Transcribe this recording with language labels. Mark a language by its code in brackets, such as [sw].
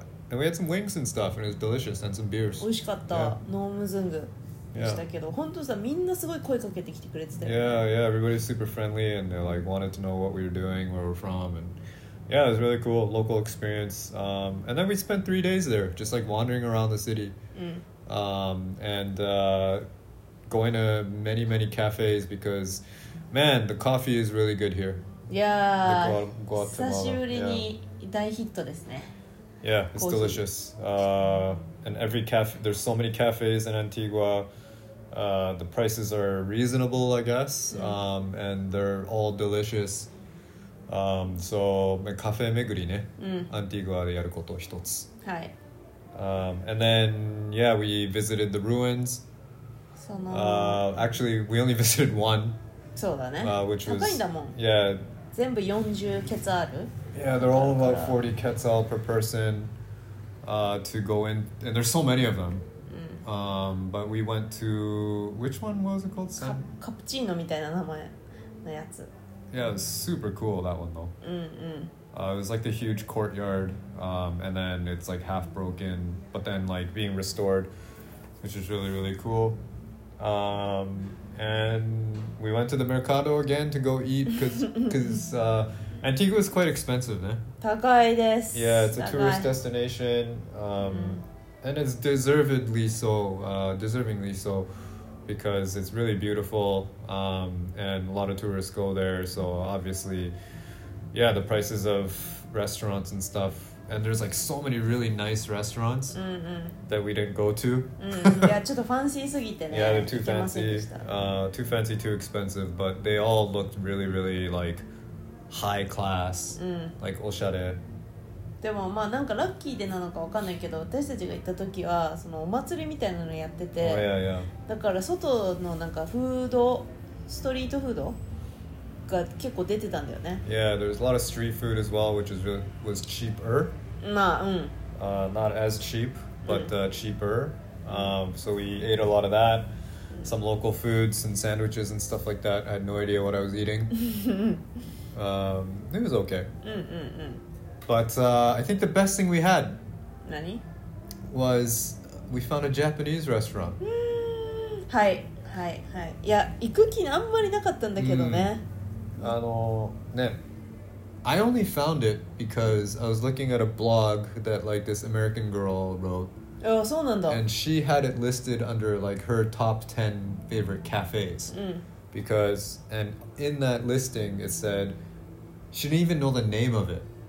[en] And we had some wings and stuff, and it was delicious, and some beers. [ja] 美味しかった。ノームズングでしたけど、本当さ、みんなすごい声かけてきてくれてたよ。 [en] Yeah, yeah, everybody's super friendly, and they like wanted to know what we were doing, where we're from, and yeah, it was really cool, local experience. And then we spent 3 days there, just like wandering around the city, going to many, many cafes, because, man, the coffee is really good here. [ja] Yeah, 久しぶりに大ヒットですね。 [en] Yeah, it's delicious. And every cafe, there's so many cafes in Antigua. The prices are reasonable, I guess. And they're all delicious. [ja] So, cafe 巡りね。 Antigua でやること一つ。はい。 [en] And then, yeah, we visited the ruins. Actually, we only visited one. [ja] そうだね。 [en] Which was, [ja] 高いんだもん。 [en] Yeah. [ja] 全部40ケツある。 [en] Yeah, they're all about 40 quetzal per person to go in. And there's so many of them. But we went to... Which one was it called? [ja] Cappuccino みたいな名前のやつ。 [en] Yeah, it was super cool, that one though. It was like the huge courtyard. And then it's like half broken. But then like being restored, which is really, really cool. And we went to the mercado again to go eat because Antigua is quite expensive, ne? [ja] 高いです。 [en] Yeah, it's a tourist destination, and it's deservingly so, because it's really beautiful, and a lot of tourists go there. So obviously, yeah, the prices of restaurants and stuff, and there's like so many really nice restaurants that we didn't go to. Yeah, they're too fancy. Too fancy, too expensive, but they all looked really, really like. High class, like おしゃれ。 [ja] でもまあなんかラッキーでなのかわかんないけど、私たちが行った時はそのお祭りみたいなのやってて、 [en] oh, yeah, yeah. [ja] だから外のなんかフード、ストリートフードが結構出てたんだよね。 [en] Yeah, there's a lot of street food as well, which was cheaper. [ja] まあ、 [en] Not as cheap, but cheaper. So we ate a lot of that. Some local foods and sandwiches and stuff like that. I had no idea what I was eating. It was okay. But I think the best thing we had [ja] 何? [en] was we found a Japanese restaurant. [ja] はいはいはい。いや、行く気あんまりなかったんだけどね。あのね、 [en] I only found it because I was looking at a blog that like this American girl wrote. [ja] Oh, そうなんだ。 [en] And she had it listed under like her top 10 favorite cafes. Because, and in that listing, it said, she didn't even know the name of it.